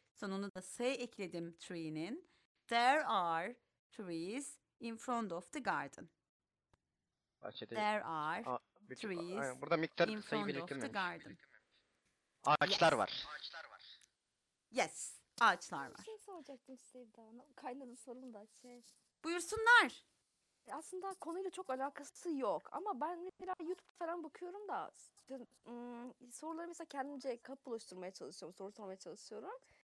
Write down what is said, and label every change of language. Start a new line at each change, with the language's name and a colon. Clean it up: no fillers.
Turkish: Sonunu da S ekledim tree'nin.
English: There are trees in front of the garden.
Turkish: Bahçede.
English: There are trees.
Turkish: Burada miktar sayı belirtilmemiş. Ağaçlar var. Yes, ağaçlar var. Bir şey soracaktım Sevda Hanım. Kaynana sorun da şey. Buyursunlar. Aslında konuyla çok alakası yok ama ben mesela YouTube falan bakıyorum da soruları mesela kendimce kapı oluşturmaya çalışıyorum, soru sormaya çalışıyorum.